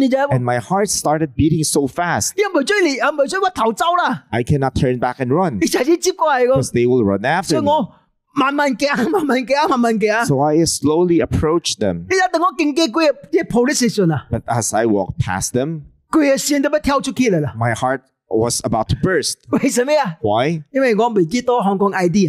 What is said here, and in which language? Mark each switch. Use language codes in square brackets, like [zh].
[en] And my heart started beating so fast. I cannot turn back and run. Because they will run after me. [nan] 慢慢走，慢慢走，慢慢走。 [en] So I slowly approached them. [nan] 你等我经过几个 [en] police station [nan] 啊。 [en] But as I walked past them, my heart was about to burst. [nan] 为什么呀? [en] Why? [nan] 因为我没记得 Hong Kong ID.